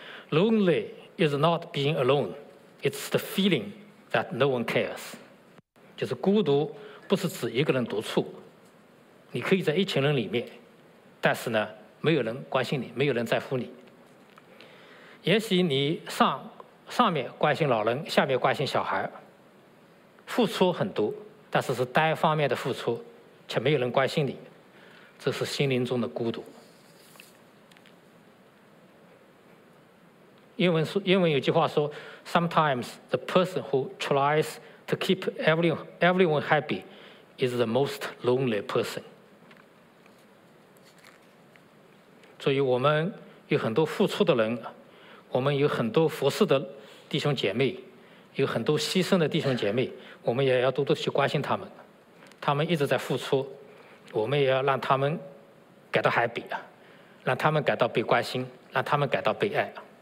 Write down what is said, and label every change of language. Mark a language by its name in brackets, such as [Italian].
[English] Lonely is not being alone， It's the feeling that no one cares， [Chinese] 就是孤独不是指一个人独处，你可以在一群人里面，但是呢没有人关心你，没有人在乎你。也许你 上面关心老人，下面关心小孩，付出很多，但是是单方面的付出，却没有人关心你，这是心灵中的孤独。英文有句话说， [English] Sometimes the person who tries to keep everyone happy is the most lonely person。 [Chinese] 所以我们有很多付出的人，我们有很多服侍的弟兄姐妹，有很多牺牲的弟兄姐妹，我们也要多多去关心他们，他们一直在付出，我们也要让他们感到 happy， 让他们感到被关心，让他们感到被爱。